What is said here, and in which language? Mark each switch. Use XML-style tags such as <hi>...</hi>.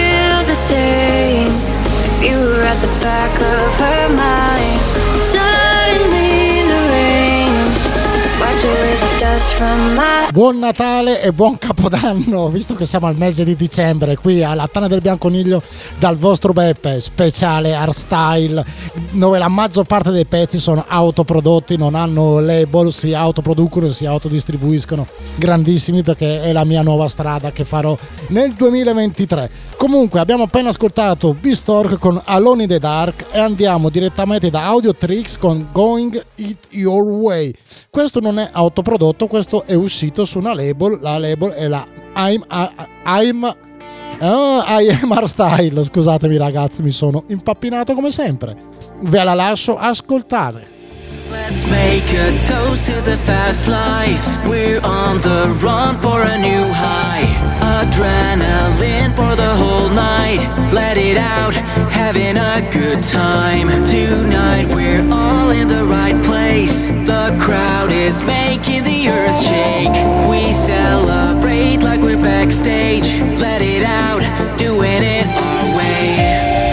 <en>If you were at the back of her mind, suddenly in the rain, wiped away the dust from my.</en> <it>Buon Natale e buon Capodanno, visto che siamo al mese di dicembre, qui alla Tana del Bianconiglio dal vostro Beppe, speciale Hardstyle, dove la maggior parte dei pezzi sono autoprodotti, non hanno label, si autoproducono e si autodistribuiscono, grandissimi, perché è la mia nuova strada che farò nel 2023. Comunque, abbiamo appena ascoltato Bistork con Alone in the Dark e andiamo direttamente da Audio Tricks con Going It Your Way. Questo non è autoprodotto, questo è uscito su una label, la label è la I am Hardstyle, scusatemi ragazzi, mi sono impappinato come sempre, ve la lascio ascoltare.</it> <en>Let's make a toast to the fast life, we're on the run for a new high, adrenaline for the whole night, let it out, having a good time, tonight we're all in the right place, the crowd is making the earth shake, we celebrate like we're backstage, let it out, doing it our way.</en>